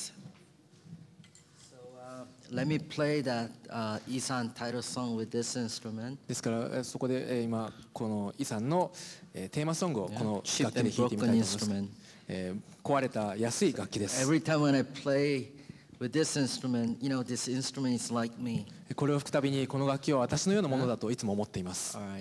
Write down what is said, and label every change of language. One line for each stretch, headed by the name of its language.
English: Yes. So, let me play that Isan title song with this instrument.
Japanese: ですからそこで今このイサンのテーマソングをこの楽器で弾いてみたいと思います。壊れた安い楽器です。
English: Every time when I play with this instrument, you know, this instrument is like me.
Japanese: これを弾くたびにこの楽器は私のようなものだといつも思っています。